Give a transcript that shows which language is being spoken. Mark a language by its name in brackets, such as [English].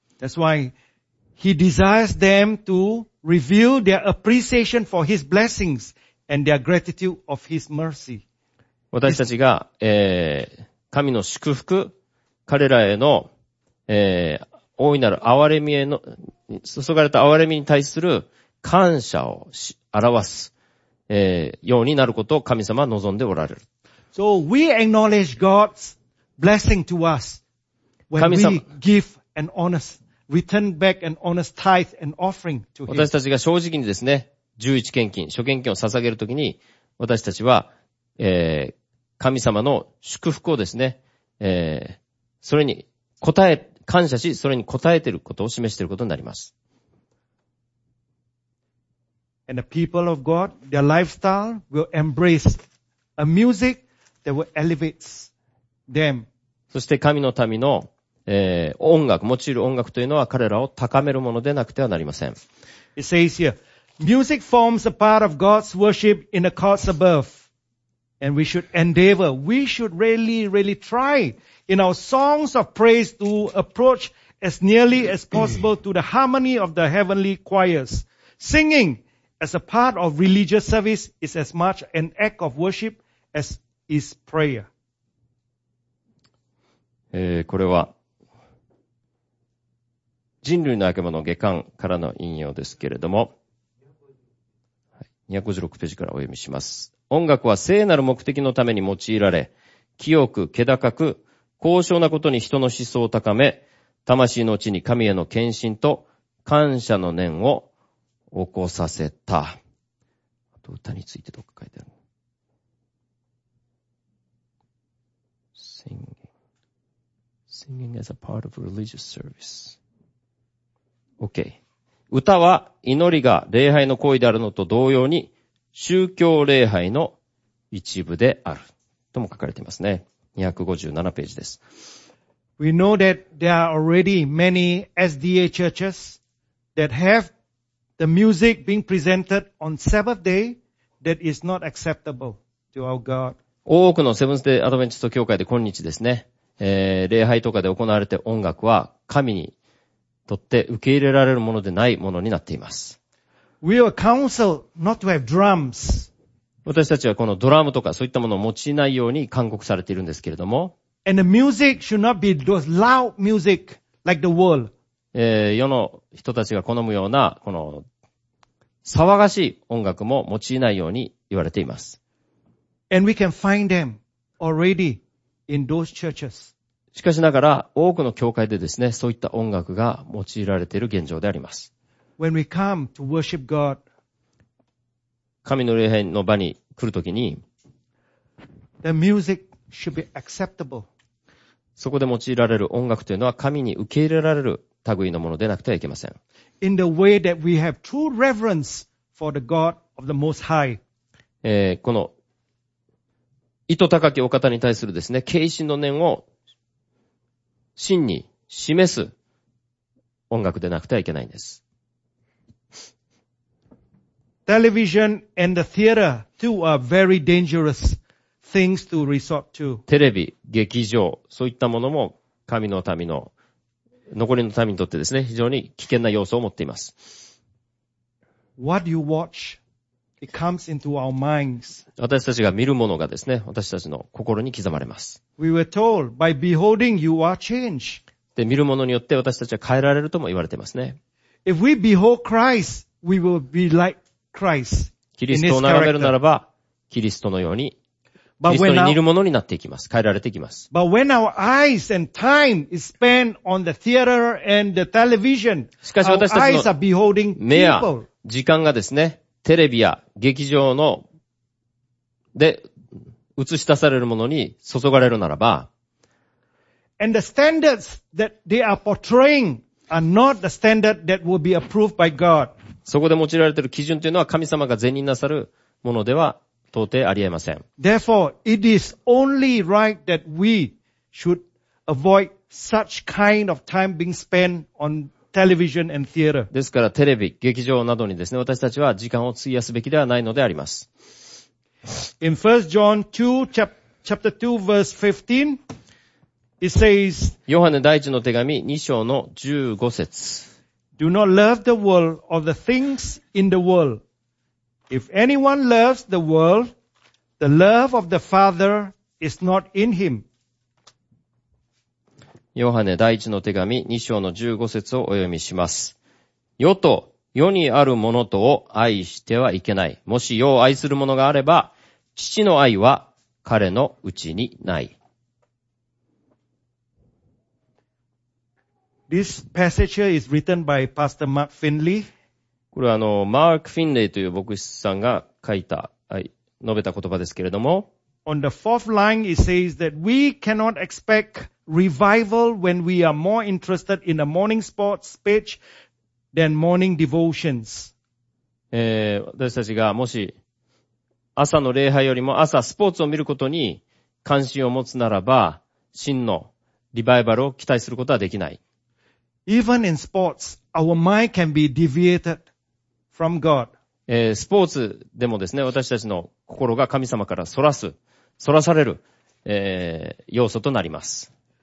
[English] That's why he desires them to reveal their appreciation for his blessings and their gratitude of his mercy. [Japanese] 私たちが、神の祝福彼らへの、大いなる憐れみへの、注がれた憐れみに対する感謝を表す、ようになることを神様は望んでおられる。 [English] So we acknowledge God's blessing to us when we give an honest, return back an honest tithe and offering to Him. [Japanese] 私たちが正直にですね、十一献金、諸献金を捧げるときに、私たちは、神様の祝福をですね、それに感謝し、それに応えていることを示していることになります。 [English] And the people of God, their lifestyle will embrace a music that will elevate them. [Japanese] そして神の民の、音楽、用いる音楽というのは彼らを高めるものでなくてはなりません。 [English] It says here, music forms a part of God's worship in the courts above. And we should endeavor, we should really, really try in our songs of praise to approach as nearly as possible to the harmony of the heavenly choirs. Singing as a part of religious service is as much an act of worship as is prayer. [Japanese] これは人類の曙光下巻からの引用ですけれども、256ページからお読みします。音楽は聖なる目的のために用いられ、清く、気高く、高尚なことに人の思想を高め、魂のうちに神への献身と感謝の念を起こさせた。あと歌についてどっか書いてある。 [English] Singing as a part of religious service. Okay. [Japanese] 歌は祈りが礼拝の行為であるのと同様に、宗教礼拝の一部であるとも書かれていますね。 257ページです。 [English] We know that there are already many SDA churches that have the music being presented on Sabbath day that is not acceptable to our God. [Japanese] 多くのセブンスデーアドベンチスト教会で今日ですね、礼拝とかで行われて音楽は神にとって受け入れられるものでないものになっています。 [English] We are counseled not to have drums. [Japanese] 私たちはこのドラムとかそういったものを用いないように勧告されているんですけれども。 [English] And the music should not be those loud music like the world. [Japanese] 世の人たちが好むようなこの騒がしい音楽も用いないように言われています。 [English] And we can find them already in those churches. [Japanese] しかしながら多くの教会でですね、そういった音楽が用いられている現状であります。 [English] When we come to worship God, [Japanese] 神の礼拝の場に来るときに、 [English] the music should be acceptable. [Japanese] そこで用いられる音楽というのは神に受け入れられる類のものでなくてはいけません。 [English] In the way that we have true reverence for the God of the Most High. [Japanese] この意図高きお方に対するですね、敬心の念を真に示す音楽でなくてはいけないんです。 [English] Television and the theater too are very dangerous things to resort to. [Japanese] テレビ、劇場、そういったものも神の民の残りの民にとってですね、非常に危険な要素を持っています。 [English] What do you watch? It comes into our minds. [Japanese] 私たちが見るものがですね、私たちの心に刻まれます。 [English] We were told by beholding you are changed. [Japanese] で、見るものによって私たちは変えられるとも言われてますね。 [English] If we behold Christ, we will be like Christ. [Japanese] キリストを眺めるならば、キリストのように、キリストに似るものになっていきます。変えられていきます。 [English] But when our eyes and time is spent on the theater and the television, [Japanese] しかし私たちの目や時間がですね、テレビや劇場の、で、映し出されるものに注がれるならば、 [English] And the standards that they are portraying are not the standard that will be approved by God. [Japanese] そこで用いられている基準というのは神様が善人なさるものでは到底ありえません。 [English] Therefore, it is only right that we should avoid such kind of time being spent onTelevision and theater. [Japanese] ですからテレビ、劇場などにですね、私たちは時間を費やすべきではないのであります。 [English] In 1 John 2, chapter 2, verse 15, it says, [Japanese] ヨハネ第一の手紙2章の15節。 [English] Do not love the world or the things in the world. If anyone loves the world, the love of the Father is not in him. [Japanese] ヨハネ第一の手紙2章の15節をお読みします。世と世にあるものとを愛してはいけない。もし世を愛するものがあれば、父の愛は彼のうちにない。 [English] This passage is written by Pastor Mark Finley. [Japanese] これはマーク・フィンレイという牧師さんが書いた、述べた言葉ですけれども。 [English] On the fourth line, it says that we cannot expectRevival when we are more interested in a morning sports speech than morning devotions. [Japanese] 私たちがもし朝の礼拝よりも朝スポーツを見ることに関心を持つならば、真のリバイバルを期待することはできない。 [English] Even in sports, our mind can be deviated from God. [Japanese] スポーツでもですね、私たちの心が神様からそらされる、要素となります。